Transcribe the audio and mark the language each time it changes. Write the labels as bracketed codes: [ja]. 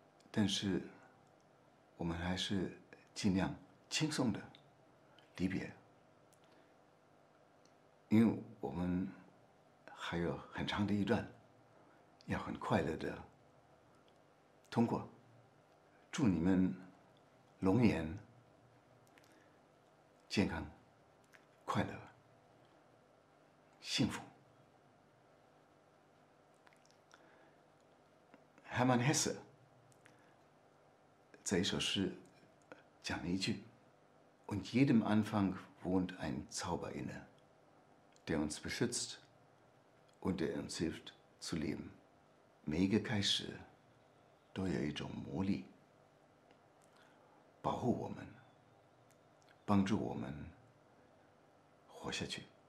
[zh] 但是我们还是尽量轻松的离别，因为我们还有很长的一段要很快乐的通过。祝你们龙年健康快乐幸福。 [de] Hermann Hesse [zh] 在一首诗讲了一句， [de] Und jedem Anfang wohnt ein Zauber inne, der uns beschützt und der uns hilft zu leben. [zh] 每一个开始都有一种魔力保护我们，帮助我们活下去。